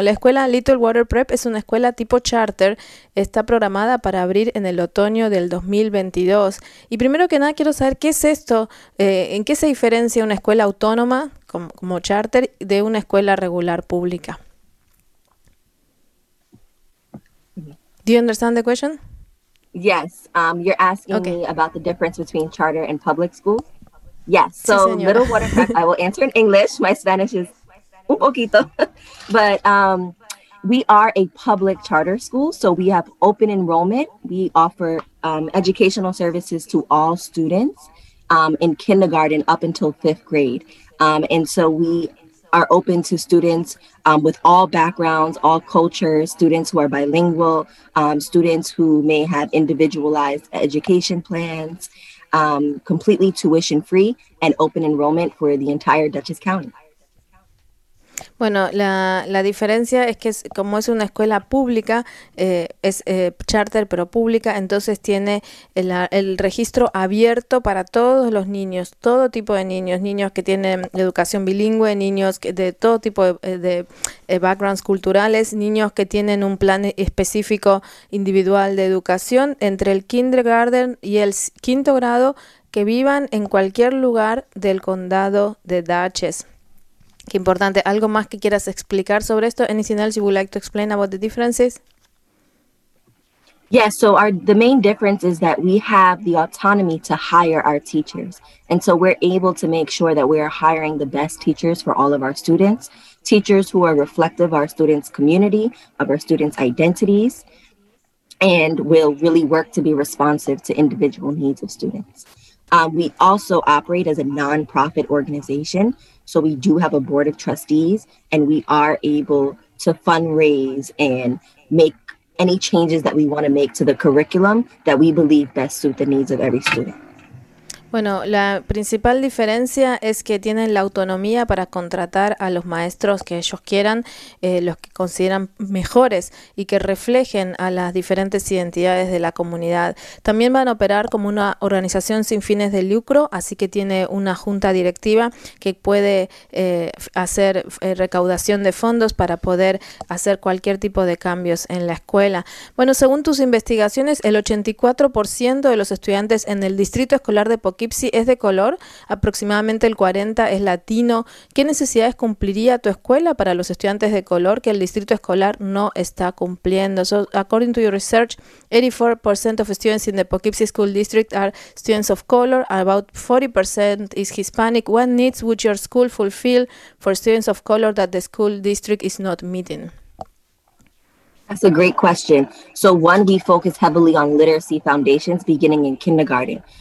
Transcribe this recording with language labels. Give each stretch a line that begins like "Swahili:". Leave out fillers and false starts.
Spanish: La escuela Little Water Prep es una escuela tipo charter, está programada para abrir en el otoño del 2022. Y primero que nada quiero saber, ¿qué es esto? ¿En qué se diferencia una escuela autónoma como charter de una escuela regular pública?
English: Do you understand the question? Yes, you're asking me about the difference between charter and public school. Yes, so
Spanish: sí,
English: Little Water Prep, I will answer in English. My Spanish is
Spanish: un poquito.
English: But we are a public charter school, so we have open enrollment. We offer educational services to all students in kindergarten up until fifth grade. And so we are open to students with all backgrounds, all cultures, students who are bilingual, students who may have individualized education plans, completely tuition free and open enrollment for the entire Dutchess County.
Spanish: Bueno, la diferencia es que como es una escuela pública, es charter pero pública, entonces tiene el registro abierto para todos los niños, todo tipo de niños, niños que tienen educación bilingüe, niños que de todo tipo de backgrounds culturales, niños que tienen un plan específico individual de educación entre el kindergarten y el quinto grado, que vivan en cualquier lugar del condado de Dutchess. Qué importante. ¿Algo más que quieras explicar sobre esto?
English: Anything else you would like to explain about the differences? Yes, so the main difference is that we have the autonomy to hire our teachers. And so we're able to make sure that we are hiring the best teachers for all of our students, teachers who are reflective of our students' community, of our students' identities, and will really work to be responsive to individual needs of students. We also operate as a nonprofit organization. So we do have a board of trustees and we are able to fundraise and make any changes that we want to make to the curriculum that we believe best suit the needs of every student.
Spanish: Bueno, la principal diferencia es que tienen la autonomía para contratar a los maestros que ellos quieran, los que consideran mejores y que reflejen a las diferentes identidades de la comunidad. También van a operar como una organización sin fines de lucro, así que tiene una junta directiva que puede hacer recaudación de fondos para poder hacer cualquier tipo de cambios en la escuela. Bueno, según tus investigaciones, el 84% de los estudiantes en el Distrito Escolar de Poughkeepsie es de color, aproximadamente el 40% es latino. ¿Qué necesidades cumpliría tu escuela para los estudiantes de color que el distrito escolar no está cumpliendo?
English: So, according to your research, 84% of students in the Poughkeepsie School District are students of color, about 40% is Hispanic. What needs would your school fulfill for students of color that the school district is not meeting? That's a great question. So one, we focus heavily on literacy foundations beginning in kindergarten.